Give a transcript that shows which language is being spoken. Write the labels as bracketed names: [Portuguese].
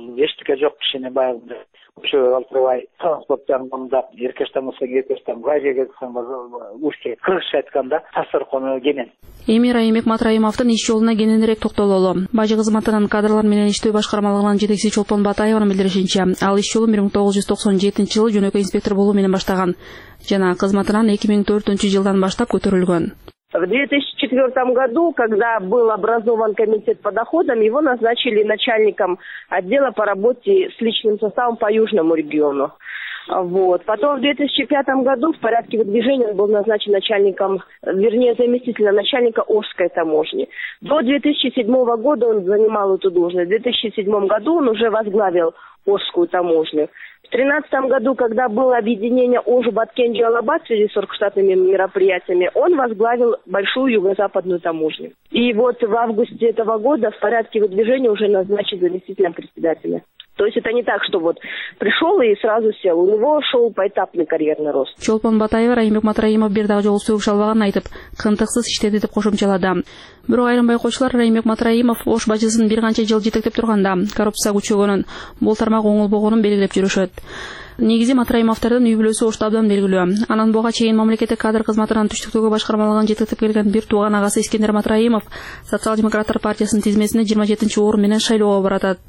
[Kyrgyz] Бул эчтеке жок кишини баягындай ошого калтырбай транспорт жагын тандап эркештен болсо эркештен, газге кетсең уюштуру кыргызча айтканда тасыркону кенен. Эми Райымбек Матраимовдун иш жолуна кененирээк токтололу. Бажы кызматынын кадрлар менен иштөө башкармалыгынын жетекчиси Чолпон Батаевнын билдиришинче, ал иш жолун 1997 жылы жөнөкөй инспектор болуу менен баштаган жана кызматынан 2004 жылдан баштап көтөрүлгөн. [Russian] В 2004 году, когда был образован комитет по доходам, его назначили начальником отдела по работе с личным составом по Южному региону. Вот. Потом в 2005 году в порядке выдвижения он был назначен начальником, вернее, заместителем начальника Ошской таможни. До 2007 года он занимал эту должность. В 2007 году он уже возглавил Ошскую таможню. В 2013 году, когда было объединение Ожу-Баткенджи-Алабад в связи с оргштатными мероприятиями, он возглавил большую юго-западную таможню. И вот в августе этого года в порядке выдвижения уже назначен заместителем председателя. То есть это не так, что вот пришел и сразу сел. У него шел поэтапный карьерный рост. [Kyrgyz] Чолпон Батаева, Райымбек Матраимов бир дагы жолу сүйүп шалбаган айтып, кынтыксыз иштеди деп кошумчалады. Бирок айрым байкоочулар Райымбек Матраимов Ош бажысын бир канча жыл жетектеп турганда коррупция күчөгөнүн, бул тармак оңолбогонун белгилеп жүрүшөт. негизи Матраимовтордун үй-бүлөсү Оштабдан белгилүү. Анан буга чейин мамлекеттик кадр кызматынан түштүктөгү башкармалыгын жетектеп келген бир тууган агасы Искендер Матраимов Социал-демократтар партиясынын тизмесинде 27-чи орун менен шайлоого баратат.